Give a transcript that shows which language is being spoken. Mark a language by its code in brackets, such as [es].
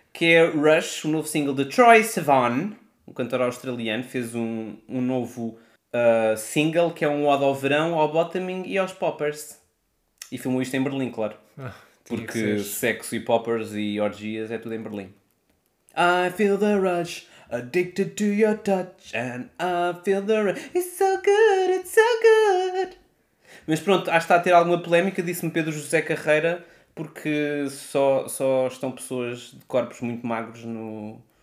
[pt] Que é Rush, o novo single de Troye Sivan, um cantor australiano, fez um novo single que é um ode ao verão, ao bottoming e aos poppers. E filmou isto em Berlim, claro. Ah, porque sexo e poppers e orgias é tudo em Berlim. [en] I feel the rush, addicted to your touch, and I feel the rush, it's so good, it's so good. [pt] Mas pronto, acho que está a ter alguma polémica, disse-me Pedro José Carreira, porque só estão pessoas de corpos muito magros no